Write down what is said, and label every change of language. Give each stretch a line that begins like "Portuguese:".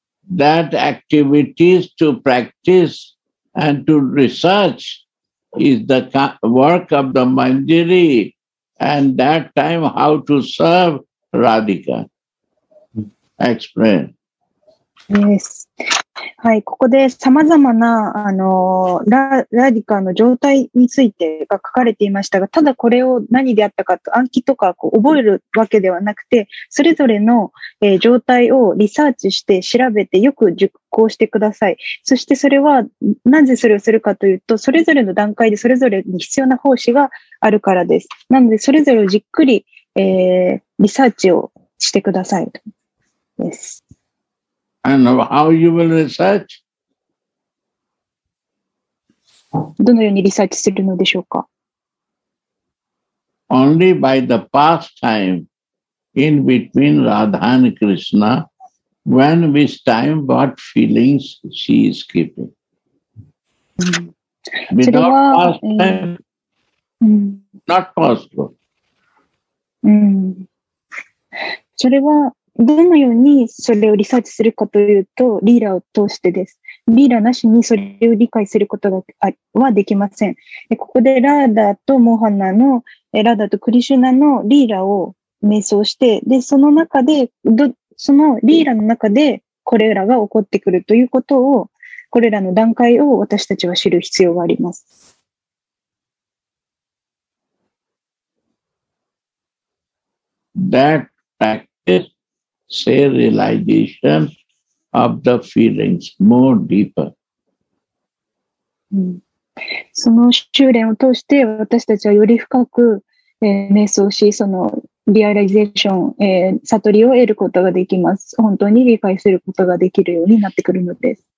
English: That activities to practice and to research is the work of the Manjari and that time how to serve Radhika. Explain. Yes.
Japanese: はい、ここで様々な、ラディカの状態についてが書かれていましたが、ただこれを何であったかと暗記とかこう覚えるわけではなくて、それぞれの、状態をリサーチして調べてよく熟考してください。そしてそれは、なぜそれをするかというと、それぞれの段階でそれぞれに必要な奉仕があるからです。なので、それぞれをじっくり、リサーチをしてください。です。
English: And how you will research?
Japanese: どのようにリサーチするのでしょうか?
English: Only by the pastime in between Radha and Krishna, when which time, what feelings she is keeping. Without pastime, not possible.
Japanese: それはどのようにそれをリサーチするかというと、リーダーを通してです。リーダーなしにそれを理解することはできません。ここでラーダとモハナの、ラーダとクリシュナのリーダーを瞑想して、で、その中で、そのリーダーの中でこれらが起こってくるということを、これらの段階を私たちは知る必要があります。
English: That practice, say realization of the feelings more deeper.
Japanese: その修練を通して私たちはより深く、瞑想し、そのリアライゼーション、悟りを得ることができます。本当に理解することができるようになってくるのです。